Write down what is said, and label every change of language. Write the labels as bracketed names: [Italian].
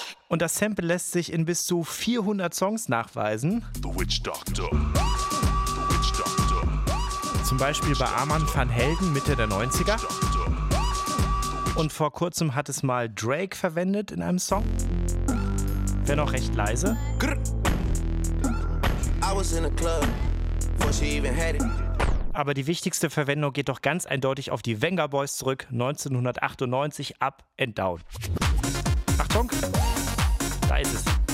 [German] Und das Sample lässt sich in bis zu 400 Songs nachweisen. The Witch Doctor. The Witch Doctor. Zum Beispiel bei Armand van Helden Mitte der 90er. Und vor kurzem hat es mal Drake verwendet in einem Song. Wenn auch recht leise. [English] I was in a club, before she even had it. [German] Aber die wichtigste Verwendung geht doch ganz eindeutig auf die Venga Boys zurück, 1998, Up and Down. Achtung, da ist es.